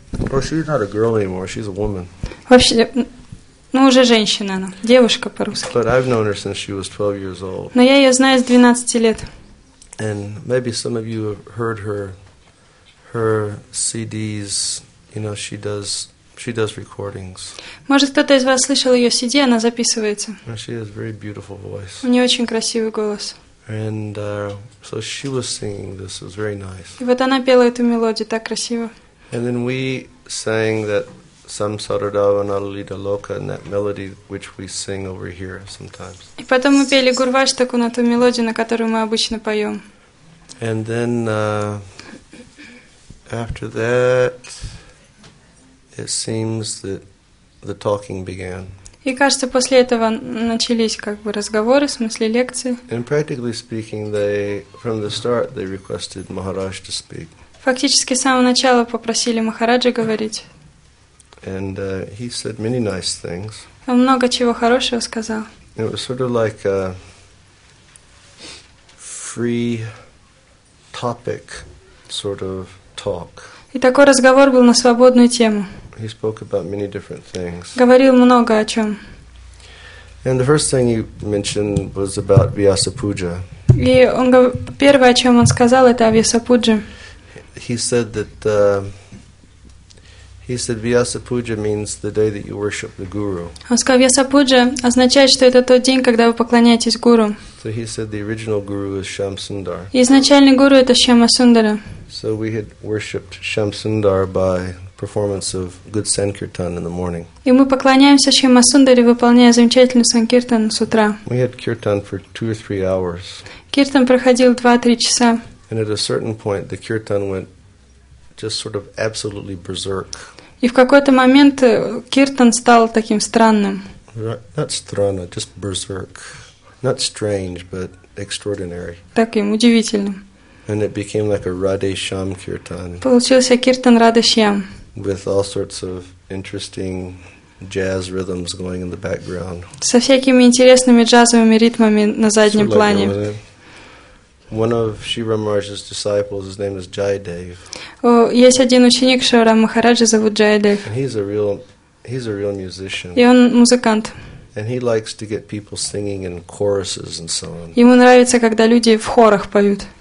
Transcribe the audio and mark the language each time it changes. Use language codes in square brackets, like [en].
[en] Well, she's not a girl anymore, she's a woman. [ru] Ну, уже женщина она, девушка по-русски. [en] But I've known her since she was 12 years old. [ru] Но я ее знаю с 12 лет. [en] And maybe some of you have heard her CDs, you know, she does recordings. [ru] Может, кто-то из вас слышал ее CD, она записывается. [en] And she has a very beautiful voice. [ru] У нее очень красивый голос. [en] And so she was singing this, it was very nice. [ru] И вот она пела эту мелодию, так красиво. [en] And then we sang that Samsaradavana Lalita Loka and that melody which we sing over here sometimes. [ru] И потом мы пели Гурваштаку на ту мелодию, на которую мы обычно поем. [en] And then after that it seems that the talking began. [ru] И кажется, после этого начались как бы разговоры, в смысле лекции. [en] And practically speaking, from the start they requested Maharaj to speak. [ru] Фактически с самого начала попросили Махараджа говорить. [en] And he said many nice things. [ru] Он много чего хорошего сказал. [en] It was sort of like a free topic sort of talk. [ru] И такой разговор был на свободную тему. [en] He spoke about many different things. [ru] Говорил много о чем. [en] And the first thing he mentioned was about Vyasa Puja. [ru] И он первое, о чем он сказал, это о Vyasa Puja. [en] He said Vyasa Puja means the day that you worship the Guru. [ru] Он сказал, Vyasa Puja означает, что это тот день, когда вы поклоняетесь Гуру. [en] So he said the original Guru is Shamsundar. [ru] Изначальный Гуру это Шамасундара. [en] So we had worshipped Shamsundar by performance of good Sankirtan in the morning. [ru] И мы поклоняемся Шамасундаре, выполняя замечательный Санкиртан с утра. [en] We had Kirtan for 2 or 3 hours. [ru] Киртан проходил 2-3 часа. [en] And at a certain point, the Kirtan went just sort of absolutely berserk. [ru] И в какой-то момент киртан стал таким странным. [en] Not странно, just berserk. Not strange, but extraordinary. [ru] Таким удивительным. [en] And it became like a Radhe Shyam kirtan. [ru] Получился киртан Radhe Shyam. [en] With all sorts of interesting jazz rhythms going in the background. [ru] Со всякими интересными джазовыми ритмами на заднем плане. [en] One of Shiva Maharaj's disciples, his name is Jayadev. [ru] Есть один ученик Шивара Махараджа, зовут Джайдев. [en] And he's a real musician. [ru] И он музыкант. [en] And he likes to get people singing in choruses and so on. [ru] Ему нравится, когда люди в хорах поют.